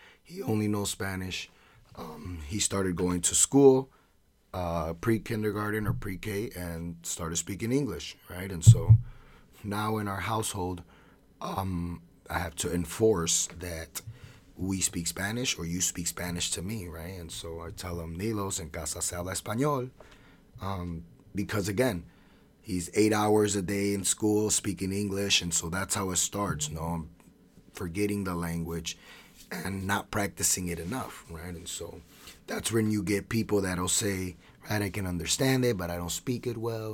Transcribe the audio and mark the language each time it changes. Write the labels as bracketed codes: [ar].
[en] He only knows Spanish. He started going to school, pre-kindergarten or pre-K, and started speaking English, right? And so now in our household, I have to enforce that we speak Spanish or you speak Spanish to me, right? And so I tell him, [es] Nilos en casa se habla español. [en] Because again, he's 8 hours a day in school speaking English. And so that's how it starts, you know, forgetting the language and not practicing it enough, right? And so that's when you get people that'll say, right, I can understand it, but I don't speak it well.